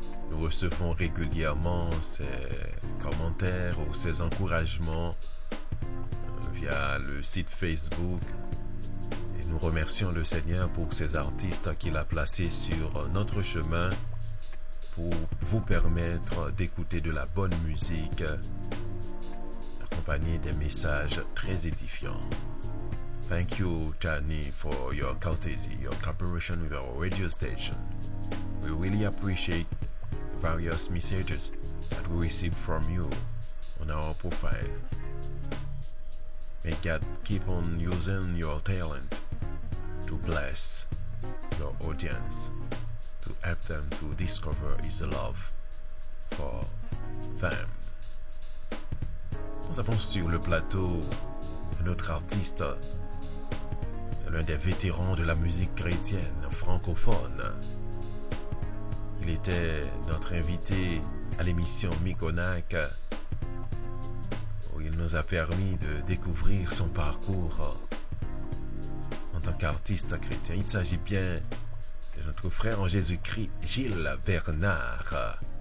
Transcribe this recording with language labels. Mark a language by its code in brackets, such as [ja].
[fr] Nous recevons régulièrement ses commentaires ou ses encouragements via le site Facebook et nous remercions le Seigneur pour ces artistes qu'il a placés sur notre chemin pour vous permettre d'écouter de la bonne musique, accompagné d'un message très édifiant. [en] Thank you, Tani, for your courtesy, your cooperation with our radio station. We really appreciate the various messages that we receive from you on our profile. May God keep on using your talent to bless your audience, to help them to discover His love for them. [fr] Nous avons sur le plateau un autre artiste. C'est l'un des vétérans de la musique chrétienne francophone. Il était notre invité à l'émission Mikonak, où il nous a permis de découvrir son parcours en tant qu'artiste chrétien. Il s'agit bien de notre frère en Jésus-Christ, Gilles Bernard.